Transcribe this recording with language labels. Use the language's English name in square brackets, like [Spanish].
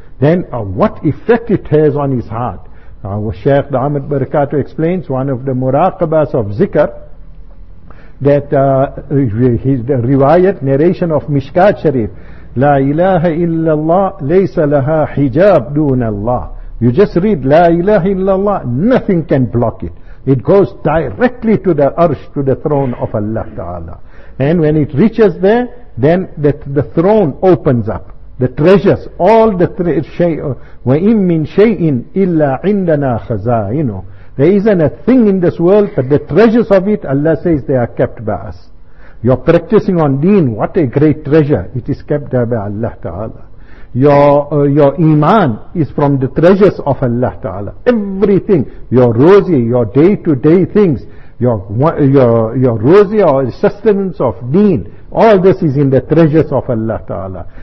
[English] Then what effect it has on his heart? Our Shaykh Ahmed Barakatu explains one of the muraqabas of zikr, that his riwayat, narration of Mishkat Sharif, [Arabic] لا إله إلا الله ليس لها حجاب دون الله. [English] You just read [Arabic] لا إله إلا الله, [English] nothing can block it. It goes directly to the arsh, to the throne of Allah Ta'ala. And when it reaches there, then the throne opens up. The treasures, all the [Arabic] وَإِن مِّن شَيْءٍ إِلَّا عِنْدَنَا خَزَائِنُ. [English] There isn't a thing in this world, but the treasures of it, Allah says they are kept by us. You're practicing on deen, what a great treasure. It is kept there by Allah Ta'ala. Your iman is from the treasures of Allah Ta'ala. Everything, your rozi, your day-to-day things, your rozi or sustenance of deen, all this is in the treasures of Allah Ta'ala.